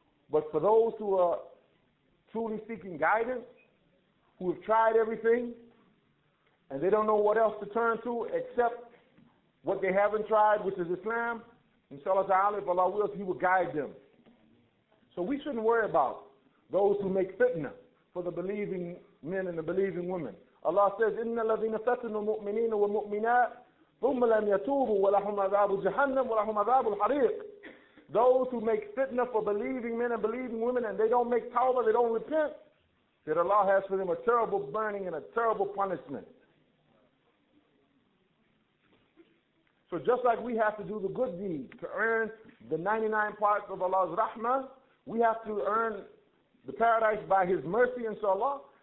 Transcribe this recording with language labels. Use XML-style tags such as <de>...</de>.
<en>But for those who are truly seeking guidance, who have tried everything, and they don't know what else to turn to except what they haven't tried, which is Islam, inshallah ta'ala, if Allah wills, He will guide them. So we shouldn't worry about those who make fitna for the believing men and the believing women. Allah says,</en> <ar>إِنَّ الَّذِينَ فَتَنُوا الْمُؤْمِنِينَ وَالْمُؤْمِنَاتِ ثُمَّ لَمْ يَتُوبُوا وَلَهُمْ عَذَابُ جَهَنَّمُ وَلَهُمْ عَذَابُ الْحَرِيقِ.</ar> <en>Those who make fitna for believing men and believing women, and they don't make tawbah, they don't repent, that Allah has for them a terrible burning and a terrible punishment. So just like we have to do the good deed to earn the 99 parts of Allah's rahmah, we have to earn the paradise by His mercy, inshallah.</en>